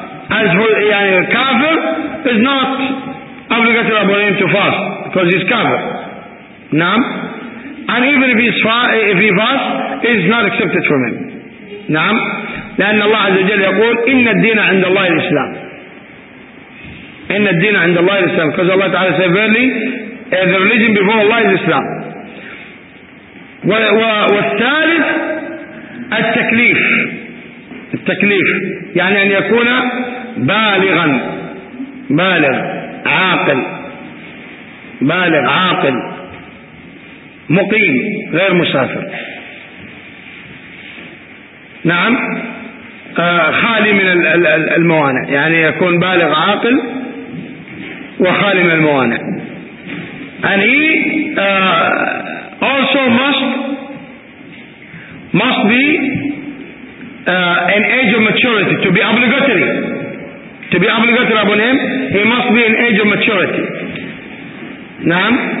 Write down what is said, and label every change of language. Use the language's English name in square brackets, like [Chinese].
[English] As for [Arabic] يعني الكافر [English] is not obligatory upon him to fast because he's kafir. [Arabic] نعم. [English] And even if he fast, it's not accepted from him. [Arabic] نعم. لأن الله عز وجل يقول إن الدين عند الله الإسلام, إن الدين عند الله الإسلام, [English] because Allah تعالى said verily the religion before Allah is Islam. [Arabic] والثالث التكليف, التكليف يعني أن يكون بالغا, بالغ عاقل, بالغ عاقل مقيم غير مسافر. نعم خالي من الموانع، يعني يكون بالغ عاقل وخالي من الموانع. [English] And he also must be an age of maturity to be obligatory. To be obligatory upon him, he must be an age of maturity. [Arabic] نعم.